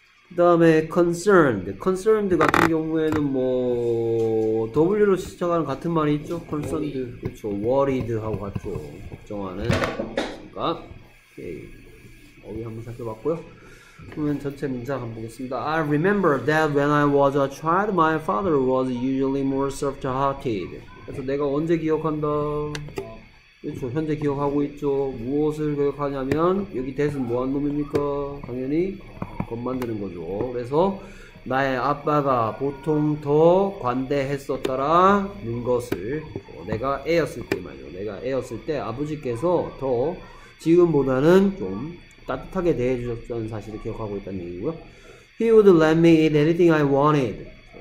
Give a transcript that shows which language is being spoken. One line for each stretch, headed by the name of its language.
Korean: 그 다음에 concerned 같은 경우에는 뭐 W로 시작하는 같은 말이 있죠? concerned. 그렇죠. worried하고 같죠. 걱정하는. 그렇습니까? 오케이. 여기 한번 살펴봤고요. 그러면 전체 문장 한번 보겠습니다.
English: I remember that when I was a child, my father was usually more soft-hearted.
Korean: 그래서 내가 언제 기억한다? 그렇죠. 현재 기억하고 있죠. 무엇을 기억하냐면, 여기 that은 뭐한 놈입니까? 당연히 겁 만드는 거죠. 그래서 나의 아빠가 보통 더 관대했었더라 는 것을 내가 애였을 때만요. 내가 애였을 때 아버지께서 더 지금보다는 좀 따뜻하게 대해주셨다는 사실을 기억하고 있다는 얘기고요.
English: He would let me eat anything I wanted.